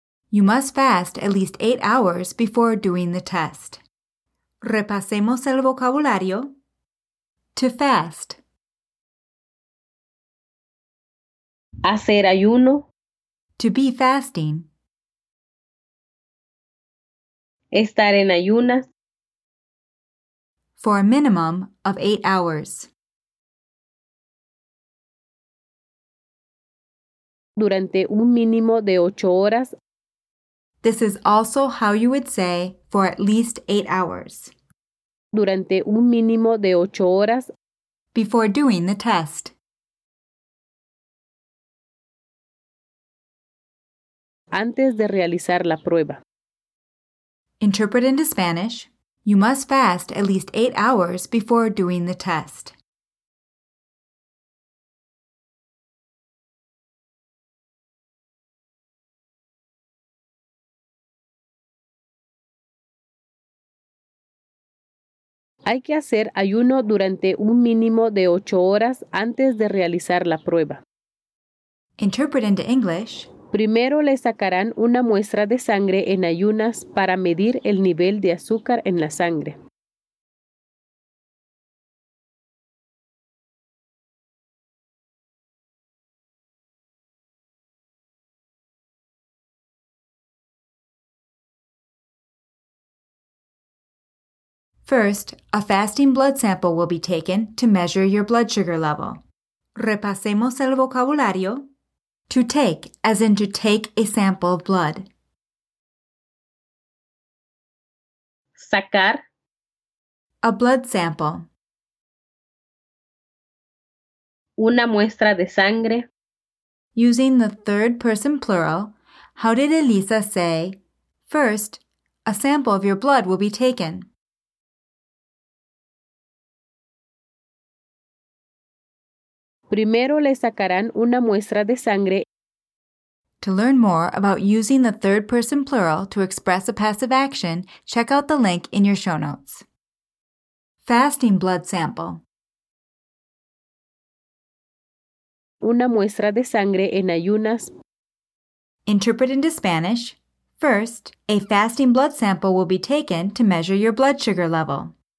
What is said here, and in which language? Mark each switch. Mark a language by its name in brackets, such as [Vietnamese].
[English] You must fast at least 8 hours before doing the test. [Spanish] Repasemos el vocabulario. [English] To fast. [Spanish] Hacer ayuno. [English] To be fasting. [Spanish] Estar en ayunas. [English] For a minimum of 8 hours. [Spanish] Durante un mínimo de 8 horas. [English] This is also how you would say for at least 8 hours. [Spanish] Durante un mínimo de 8 horas. [English] Before doing the test. [Spanish] Antes de realizar la prueba. [English] Interpret into Spanish. You must fast at least 8 hours before doing the test. [Spanish] Hay que hacer ayuno durante un mínimo de 8 horas antes de realizar la prueba. [English] Interpret into English. [Spanish] Primero le sacarán una muestra de sangre en ayunas para medir el nivel de azúcar en la sangre. [English] First, a fasting blood sample will be taken to measure your blood sugar level. [Spanish] Repasemos el vocabulario. [English] To take, as in to take a sample of blood. [Spanish] Sacar. [English] A blood sample. [Spanish] Una muestra de sangre. [English] Using the third person plural, how did Elisa say, first, a sample of your blood will be taken? [Spanish] Primero le sacarán una muestra de sangre. [English] To learn more about using the third person plural to express a passive action, check out the link in your show notes. Fasting blood sample. [Spanish] Una muestra de sangre en ayunas. [English] Interpret into Spanish. First, a fasting blood sample will be taken to measure your blood sugar level.